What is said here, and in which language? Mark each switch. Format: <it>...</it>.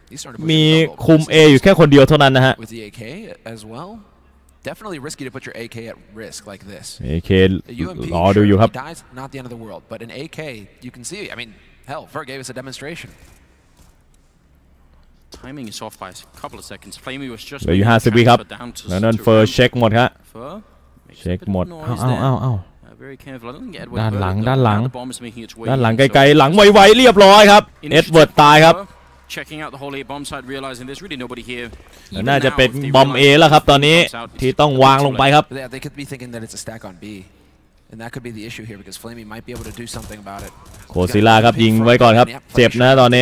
<en>He's starting to push the</en> <th>คุม A อยู่แค่คนเดียวเท่านั้นนะฮะ</th> <en>with the AK as well. Definitely risky to put your AK at risk like this.</en> <th>AK รอดู</th> <en>you have dies, not the end of the world, but an AK you can see. I mean, hell, Fur gave us a demonstration. Timing is off by a couple of seconds. Flamey was just there. You have to be up.</en> <th>นั่น Fur check หมดฮะ Fur check หมด อ้าว ด้านหลังด้านหลังไกลๆหลังไวๆเรียบร้อยครับเอ็ดเวิร์ดตายครับ</th> <en>checking out the whole A bomb site realizing there's really nobody here</en> <th>น่าจะเป็นบอมเอแล้วครับตอนนี้ที่ต้องวางลงไปครับ</th> <en>they could be thinking that it's a stack on B and that could be the issue here because Flamey might be able to do something about it</en> <th>โคซิล่าครับยิงไว้ก่อนครับเจ็บนะตอนนี</th>